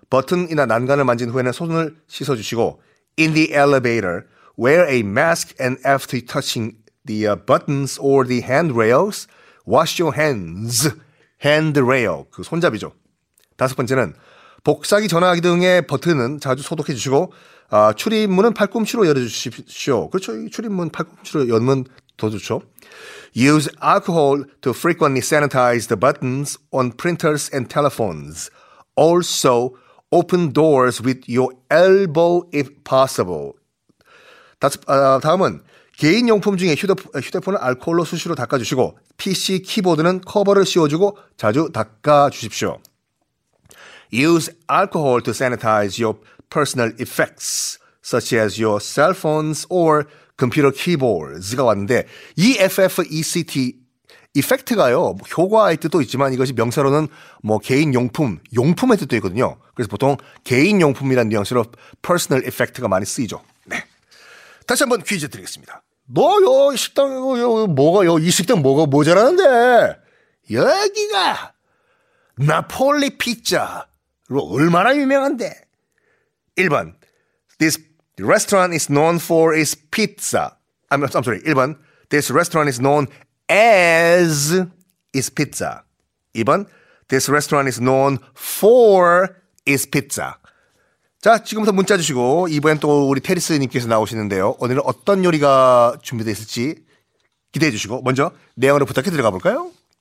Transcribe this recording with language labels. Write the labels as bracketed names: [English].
[Korean] 버튼이나 난간을 만진 후에는 손을 씻어주시고 [English] In the elevator, wear a mask and after touching the buttons or the handrails, wash your hands. [Korean] Handrail, 그 손잡이죠. 다섯 번째는 복사기, 전화기 등의 버튼은 자주 소독해 주시고 출입문은 팔꿈치로 열어주십시오. 그렇죠. 출입문 팔꿈치로 열면 더 좋죠. [English] Use alcohol to frequently sanitize the buttons on printers and telephones. Also, open doors with your elbow if possible. [Korean] 다음은 개인용품 중에 휴대폰을 알코올로 수시로 닦아주시고 PC, 키보드는 커버를 씌워주고 자주 닦아주십시오. [English] Use alcohol to sanitize your personal effects, such as your cell phones or computer keyboards가 [Korean] 왔는데 [English] EFFECT, effect가요. [Korean] 효과의 뜻도 있지만 이것이 명사로는 뭐 개인용품, 용품의 뜻도 있거든요. 그래서 보통 개인용품이라는 뉘앙스로 personal effect가 많이 쓰이죠. 네, 다시 한번 퀴즈 드리겠습니다. 너 요 식당 요 뭐가 요 이 식당 뭐가 모자라는데 여기가 나폴리 피자로 얼마나 유명한데? 1번 [English] This restaurant is known for its pizza. I'm sorry. [Korean] 1번 [English] This restaurant is known as its pizza. [Korean] 2번 [English] This restaurant is known for its pizza. [Korean] 자, 지금부터 문자 주시고 이번엔 또 우리 테리스님께서 나오시는데요. 오늘은 어떤 요리가 준비되어 있을지 기대해 주시고 먼저 내용으로 부탁해 들어가 볼까요?